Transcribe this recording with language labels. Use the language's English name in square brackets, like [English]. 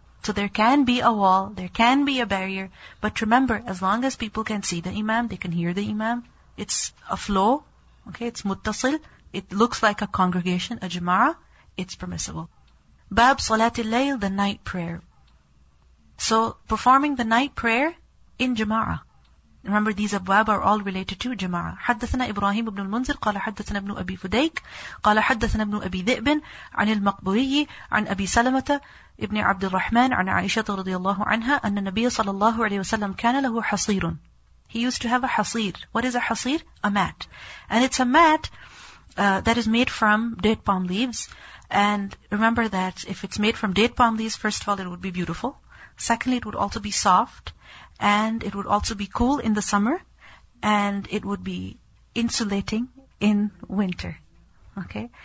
[English] So there can be a wall, there can be a barrier, but remember, as long as people can see the imam, they can hear the imam, it's a flow. Okay, it's muttasil. It looks like a congregation, a jama'ah. It's permissible. [Arabic] Bab salati layl, [English] the night prayer. So, performing the night prayer in jama'ah. Remember, these abwab are all related to jama'ah. [Arabic] حدثنا إبراهيم بن المنذر قال حدثنا ابن أبي فديك قال حدثنا ابن أبي ذئب عن المقبري عن أبي سلمة ابن عبد الرحمن عن عائشة رضي الله عنها أن النبي صلى الله عليه وسلم كان له حصير. [English] He used to have a حصير. What is a حصير? A mat. And it's a mat that is made from date palm leaves. And remember that if it's made from date palm leaves, first of all, it would be beautiful. Secondly, it would also be soft. And it would also be cool in the summer. And it would be insulating in winter. Okay?